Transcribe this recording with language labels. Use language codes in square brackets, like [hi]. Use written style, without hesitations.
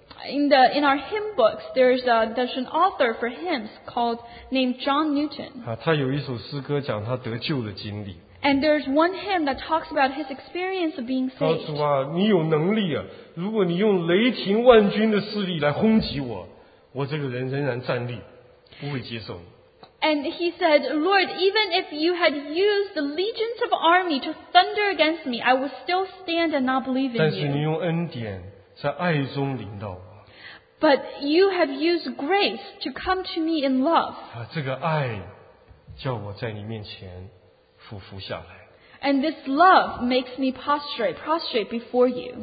[en] In our hymn books, there's an author for hymns called named John Newton. [zh] 他有一首诗歌讲他得救的经历。 [en] And there's one hymn that talks about his experience of being saved. [zh] 告诉我,你有能力啊, 如果你用雷霆万钧的势力来轰击我, 我这个人仍然站立, 不会接受。 [en] And he said, Lord, even if you had used the legions of army to thunder against me, I would still stand and not believe in you. [zh] 但是你用恩典在爱中领导。 [en] But you have used grace to come to me in love. [zh] 这个爱叫我在你面前俯伏下来。 [en] And this love makes me prostrate before you.